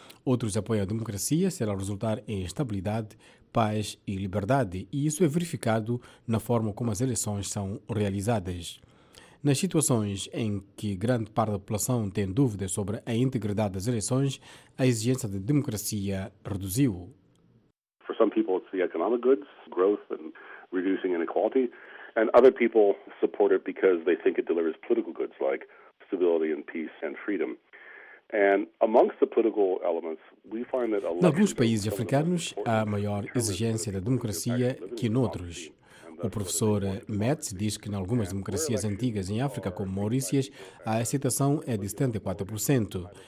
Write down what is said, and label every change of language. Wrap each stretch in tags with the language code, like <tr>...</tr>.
<pt>Outros apoiam a democracia se ela resultar em estabilidade, paz e liberdade, e isso é verificado na forma como as eleições são realizadas. Nas situações em que grande parte da população tem dúvidas sobre a integridade das eleições, a exigência de democracia reduziu.</pt> <en>For some people it's the economic goods, growth and reducing inequality, and other people support it because they think it delivers political goods like stability and peace and freedom.</en> <pt>Em alguns países africanos, há maior exigência da democracia que noutros. O professor Metz diz que, em algumas democracias antigas em África, como Maurícias, a aceitação é de 74%.</pt>